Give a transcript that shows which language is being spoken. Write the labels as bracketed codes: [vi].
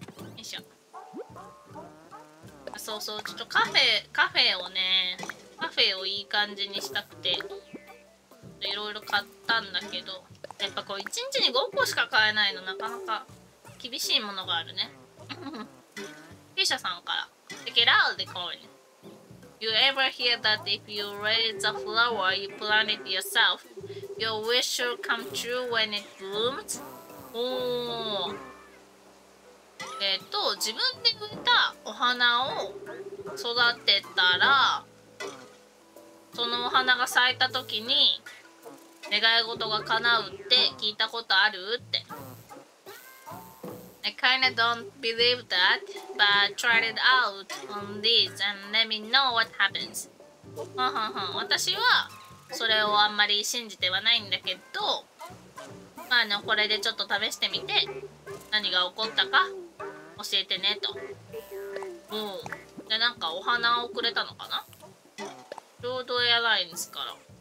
[ja] OK。 よいしょ。そうそう、ちょっとカフェをね、カフェをいい感じにしたくて、いろいろ買ったんだけど、やっぱこう1日に5個しか買えないのなかなか厳しいものがあるね。フィシャさんから。 [en] Get out the coin. You ever hear that if you raise a flower, you plant it yourself, your wish will come true when it blooms? [ja] おー。自分で植えたお花を育てたら、そのお花が咲いた時に、願い事が叶うって聞いたことあるって。 [en] I kinda don't believe that, but try it out on this and let me know what happens. [ja] 私はそれをあんまり信じてはないんだけど、まあ、これでちょっと試してみて、何が起こったか教えてねと。うん。で、なんかお花をくれたのかな？ロードエアラインズから。